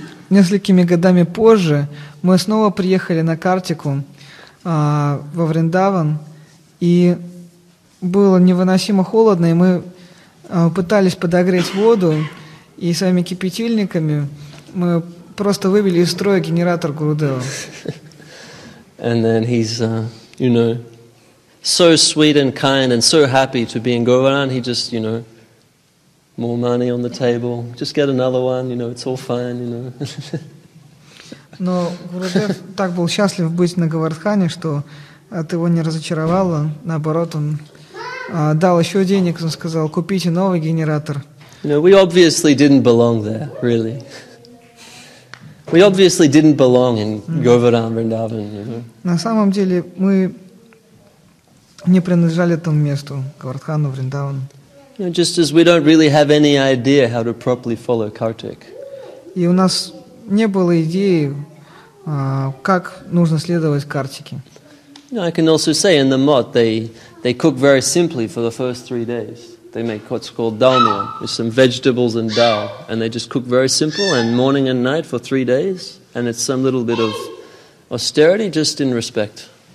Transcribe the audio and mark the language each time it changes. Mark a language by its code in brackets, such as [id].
[ru] Несколькими годами позже мы снова приехали на Картику во Вриндаван, и было невыносимо холодно, и мы пытались подогреть воду, и своими кипятильниками мы просто вывели из строя генератор Гурудева. [en] And then he's, you know, so sweet and kind and so happy to be in Govardhan, he just, you know, more money on the table, just get another one, you know, it's all fine, you know. [ru] Но Гурудев так был счастлив быть на Говардхане, что это его не разочаровало. Наоборот, он дал еще денег, он сказал, купите новый генератор. [en] You know, we obviously didn't belong there, really. We obviously didn't belong in Govardhan, Vrindavan. You know. [ru] На самом деле мы не принадлежали этому месту, Говардхану, Вриндавану. [en] You know, just as we don't really have any idea how to properly follow Kartik. [ru] И у нас не было идеи, как нужно следовать Картике. [en] You know, I can also say in the mot they cook very simply for the first 3 days. They make what's called dalmia with some vegetables and dal, and they just cook very simple and morning and night for 3 days, and it's some little bit of austerity just in respect.